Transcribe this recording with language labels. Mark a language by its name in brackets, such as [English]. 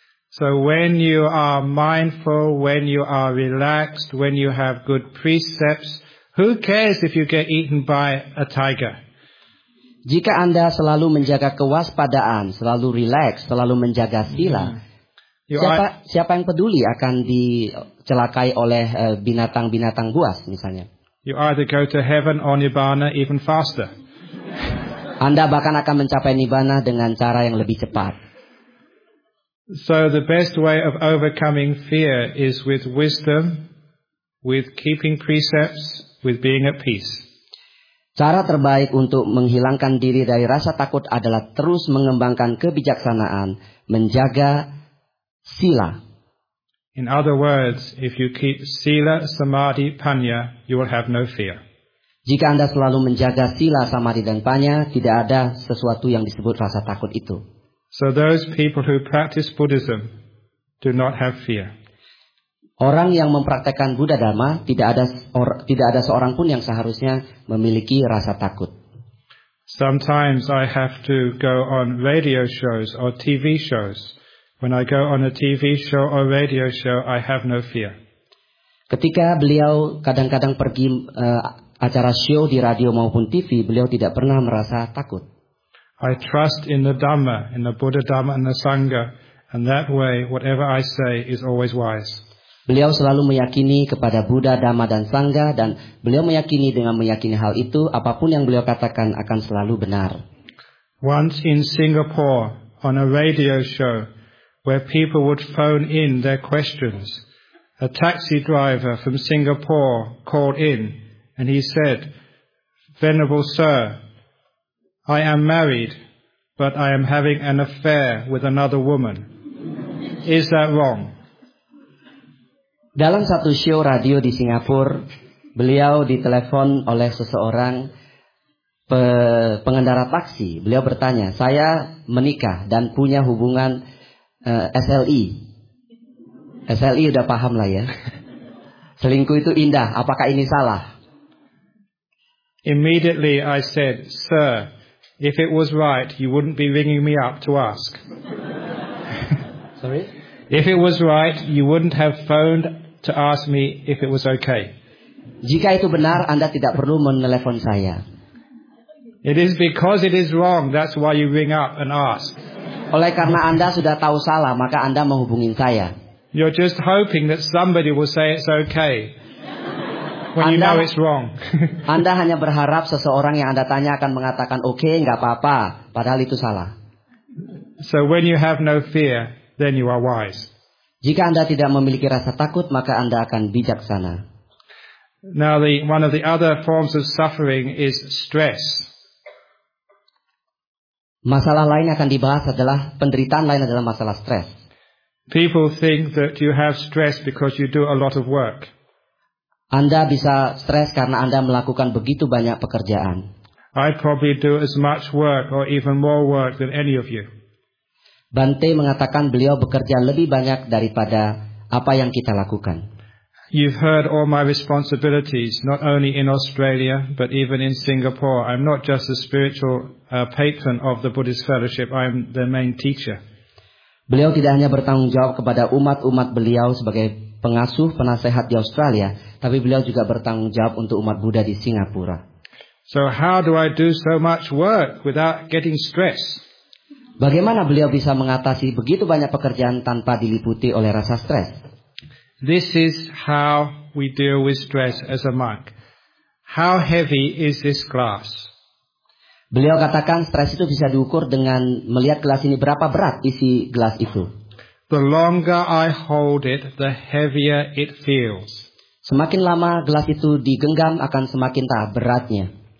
[English] So when you are mindful, when you are relaxed, when you have good precepts, who cares if you get eaten by a tiger? [Indonesian] Jika Anda selalu menjaga kewaspadaan, selalu rileks, selalu menjaga sila, siapa yang peduli akan dicelakai oleh binatang-binatang buas misalnya? [English] You either go to heaven or nirvana even faster. [Indonesian] Anda bahkan akan mencapai nirvana dengan cara yang lebih cepat. [English] So the best way of overcoming fear is with wisdom, with keeping precepts, with being at peace. [Indonesian] Cara terbaik untuk menghilangkan diri dari rasa takut adalah terus mengembangkan kebijaksanaan, menjaga sila. [English] In other words, if you keep sila, samadhi, panya, you will have no fear. [Indonesian] Jika Anda selalu menjaga sila, samadhi, dan panya, tidak ada sesuatu yang disebut rasa takut itu. [English] So those people who practice Buddhism do not have fear. [Indonesian] Orang yang mempraktekkan Buddha Dhamma tidak ada seorang pun yang seharusnya memiliki rasa takut. [English] Sometimes I have to go on radio shows or TV shows. When I go on a TV show or radio show, I have no fear. [Indonesian] Ketika beliau kadang-kadang pergi acara show di radio maupun TV, beliau tidak pernah merasa takut. [English] I trust in the Dhamma, in the Buddha Dhamma and the Sangha, and that way whatever I say is always wise. [Indonesian] Beliau selalu meyakini kepada Buddha, Dhamma, dan Sangha, dan beliau meyakini dengan meyakini hal itu, apapun yang beliau katakan akan selalu benar. [English] Once in Singapore, on a radio show, where people would phone in their questions, a taxi driver from Singapore called in, and he said, "Venerable Sir, I am married, but I am having an affair with another woman. Is that wrong?" [Indonesian] Dalam satu show radio di Singapura, beliau ditelepon oleh seseorang pengendara taksi. Beliau bertanya, "Saya menikah dan punya hubungan SLI. SLI udah paham lah ya. Selingkuh itu indah, apakah ini salah?" [English] Immediately I said, "Sir, if it was right, you wouldn't be ringing me up to ask." Sorry? "If it was right, you wouldn't have phoned to ask me if it was okay." [Indonesian] Jika itu benar, Anda tidak perlu menelepon saya. [English] "It is because it is wrong, that's why you ring up and ask." [Indonesian] Oleh karena Anda sudah tahu salah, maka Anda menghubungin saya. [English] "You're just hoping that somebody will say it's okay when [Indonesian] Anda, [English] you know it's wrong." [Indonesian] Anda hanya berharap seseorang yang Anda tanya akan mengatakan okay, enggak apa-apa, padahal itu salah. [English] So when you have no fear, then you are wise. [Indonesian] Jika Anda tidak memiliki rasa takut, maka Anda akan bijaksana. [English] Now one of the other forms of suffering is stress. [Indonesian] Masalah lain akan dibahas adalah penderitaan lain adalah masalah stres. [English] People think that you have stress because you do a lot of work. [Indonesian] Anda bisa stres karena Anda melakukan begitu banyak pekerjaan. [English] I probably do as much work or even more work than any of you. [Indonesian] Bante mengatakan beliau bekerja lebih banyak daripada apa yang kita lakukan. [English] "You've heard all my responsibilities, not only in Australia, but even in Singapore. I'm not just a spiritual patron of the Buddhist Fellowship, I'm their main teacher." [Indonesian] Beliau tidak hanya bertanggung jawab kepada umat-umat beliau sebagai pengasuh, penasehat di Australia, tapi beliau juga bertanggung jawab untuk umat Buddha di Singapura. [English] So how do I do so much work without getting stressed? [Indonesian] Bagaimana beliau bisa mengatasi begitu banyak pekerjaan tanpa diliputi oleh rasa stres? [English] This is how we deal with stress as a monk. How heavy is this glass? [Indonesian] Beliau katakan stres itu bisa diukur dengan melihat gelas ini, berapa berat isi gelas itu. [English] The longer I hold it, the heavier it feels. [Indonesian] Semakin lama gelas itu digenggam, akan semakin tak beratnya.